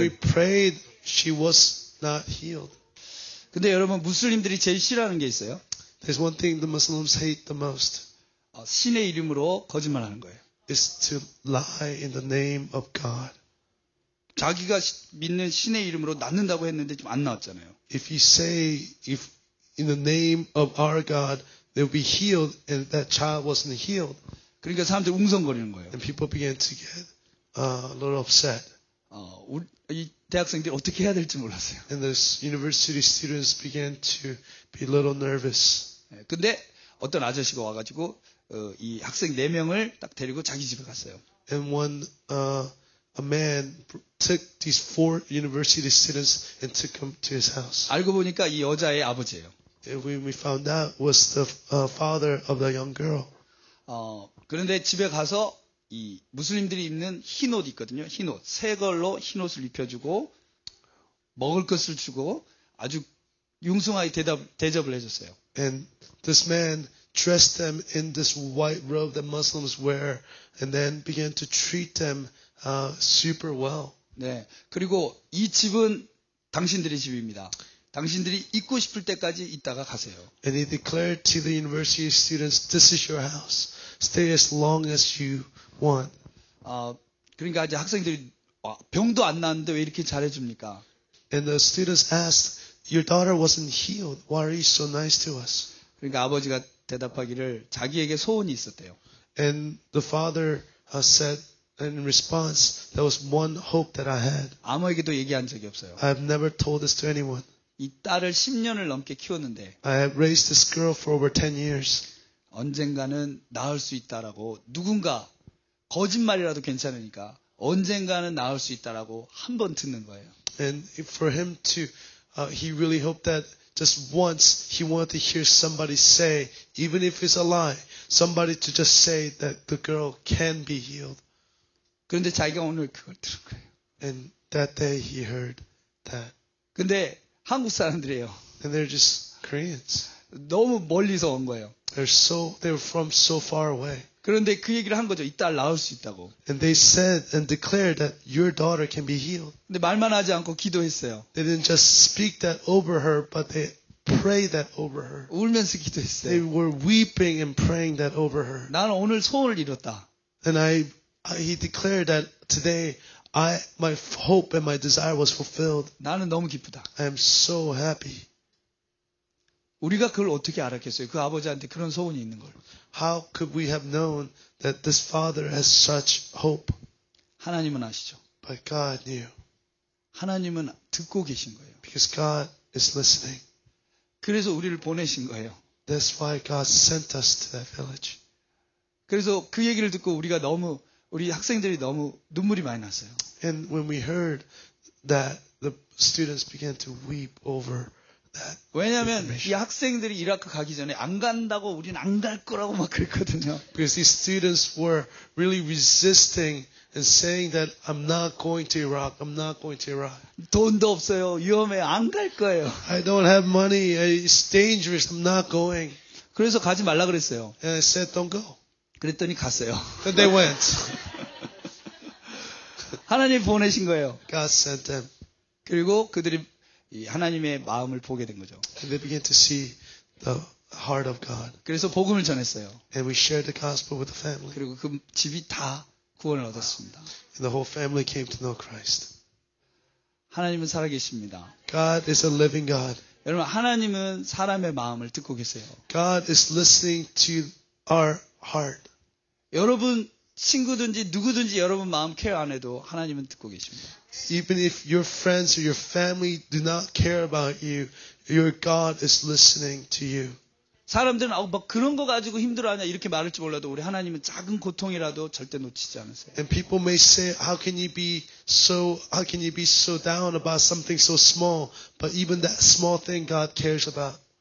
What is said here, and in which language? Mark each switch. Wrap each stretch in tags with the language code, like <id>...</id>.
<en>When we prayed, she was not healed.</en> <ko>근데 여러분 무슬림들이 제일 싫어하는 게 있어요.</ko> <en>There's one thing the Muslims hate the most.</en> <ko>신의 이름으로 거짓말하는 거예요.</ko> <en>It's to lie in the name of God.</en> <ko>자기가 믿는 신의 이름으로 낫는다고 했는데 좀 안 나왔잖아요.</ko> <en>If you say if in the name of our God they'll be healed and that child wasn't healed.</en> <ko>그러니까 사람들 웅성거리는 거예요.</ko> <en>And people began to get a little upset.</en> <ko>이 대학생들이 어떻게 해야 될지 몰랐어요.</ko> <en>And the university students began to be a little nervous.</en> <ko>근데 어떤 아저씨가 와가지고 이 학생 네 명을 딱 데리고 자기 집에 갔어요.</ko> <en>And one a man took these four university students and took them to his house.</en> <ko>알고 보니까 이 여자의 아버지예요.</ko> <en>And when we found out was the father of the young girl.</en> <ko>그런데 집에 가서 이 무슬림들이 입는 흰 옷 있거든요. 흰 옷. 새 걸로 흰 옷을 입혀주고 먹을 것을 주고 아주 융숭하게 대접을 해줬어요.</ko> <en>And this man dressed them in this white robe that Muslims wear and then began to treat them super well.</en> <ko>네. 그리고 이 집은 당신들의 집입니다. 당신들이 있고 싶을 때까지 있다가 가세요.</ko> <en>And he declared to the university students, this is your house. Stay as long as you want.</en> <ko>그러니까 이제 학생들이 병도 안 났는데 왜 이렇게 잘해 줍니까?</ko> <en>And the students asked, "Your daughter wasn't healed. Why are you so nice to us?"</en> <ko>그러니까 아버지가 대답하기를 자기에게 소원이 있었대요.</ko> <en>And the father said in response, "There was one hope that I had."</en> <ko>아무에게도 얘기한 적이 없어요.</ko> <en>I have never told this to anyone.</en> <ko>이 딸을 10년을 넘게 키웠는데</ko> <en>I have raised this girl for over 10 years.</en> <ko>언젠가는 나을 수 있다라고 누군가 거짓말이라도 괜찮으니까 언젠가는 나을 수 있다라고 한번 듣는 거예요.</ko> <en>And for him to he really hoped that just once he wanted to hear somebody say even if it's a lie somebody to just say that the girl can be healed.</en> <ko>그런데 자기가 오늘 그걸 들은 거예요.</ko> <en>And that day he heard that.</en> <ko>근데 한국 사람들이에요.</ko> <en>And they're just Koreans.</en> <ko>너무 멀리서 온 거예요.</ko> <en>They're from so far away.</en> <ko>그런데 그 얘기를 한 거죠. 이 딸 나을 수 있다고.</ko> <en>And they said and declared that your daughter can be healed.</en> <ko>근데 말만 하지 않고 기도했어요.</ko> <en>They didn't just speak that over her, but they prayed that over her.</en> <ko>울면서 기도했어요.</ko> <en>They were weeping and praying that over her.</en> <ko>나는 오늘 소원을 이뤘다.</ko> <en>And he declared that today my hope and my desire was fulfilled.</en> <ko>나는 너무 기쁘다.</ko> <en>I am so happy.</en> <ko>우리가 그걸 어떻게 알았겠어요? 그 아버지한테 그런 소원이 있는 걸.</ko> <en>How could we have known that this father has such hope?</en> <ko>하나님은 아시죠.</ko> <en>But God knew.</en> <ko>하나님은 듣고 계신 거예요.</ko> <en>Because God is listening.</en> <ko>그래서 우리를 보내신 거예요.</ko> <en>That's why God sent us to that village.</en> <ko>그래서 그 얘기를 듣고 우리가 너무 우리 학생들이 너무 눈물이 많이 났어요.</ko> <en>And when we heard that the students began to weep over</en> <ko>왜냐하면 이 학생들이 이라크 가기 전에 안 간다고 우리는 안 갈 거라고 막 그랬거든요.</ko> <en>Because these students were really resisting and saying that I'm not going to Iraq. I'm not going to Iraq.</en> <ko>돈도 없어요. 위험해. 안 갈 거예요.</ko> <en>I don't have money. It's dangerous. I'm not going.</en> <ko>그래서 가지 말라 그랬어요.</ko> <en>And I said don't go.</en> <ko>그랬더니 갔어요.</ko> <en>And they went.</en> <ko>하나님 보내신 거예요.</ko> <en>God sent them.</en> <ko>그리고 그들이 이 하나님의 마음을 보게 된 거죠.</ko> <en>And they began to see the heart of God.</en> <ko>그래서 복음을 전했어요.</ko> <en>And we shared the gospel with the family.</en> <ko>그리고 그 집이 다 구원을 얻었습니다.</ko> <en>And the whole family came to know Christ.</en> <ko>하나님은 살아계십니다.</ko> <en>God is a living God.</en> <ko>여러분 하나님은 사람의 마음을 듣고 계세요.</ko> <en>God is listening to our heart.</en> <ko>여러분 친구든지 누구든지 여러분 마음 케어 안 해도 하나님은 듣고 계십니다.</ko> <en>Even if your friends or your family do not care about you, your God is listening to you.</en> <ko>사람들은 막 그런 거 가지고 힘들어하냐 이렇게 말할지 몰라도 우리 하나님은 작은 고통이라도 절대 놓치지 않으세요.</ko> <en>And people may say, how can you be so down about something so small? But even that small thing God cares about.</en>